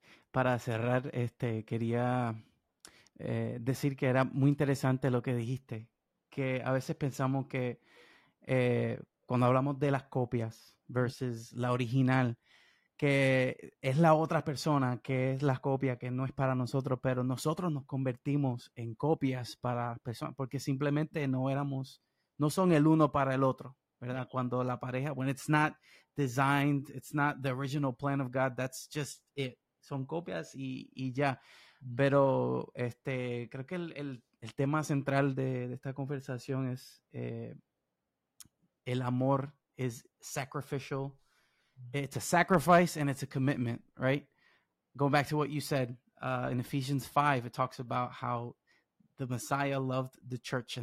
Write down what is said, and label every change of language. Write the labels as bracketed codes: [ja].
[es] Para cerrar, quería decir que era muy interesante lo que dijiste, que a veces pensamos que cuando hablamos de las copias versus la original, que es la otra persona que es la copia, que no es para nosotros, pero nosotros nos convertimos en copias para las personas, porque simplemente no son el uno para el otro, ¿verdad? Cuando la pareja, [en] when it's not designed, it's not the original plan of God, that's just it. [es] Son copias y ya. Pero creo que el tema central de esta conversación es el amor es sacrificial. [en] It's a sacrifice and it's a commitment, right? Going back to what you said, in Ephesians 5, it talks about how the Messiah loved the church.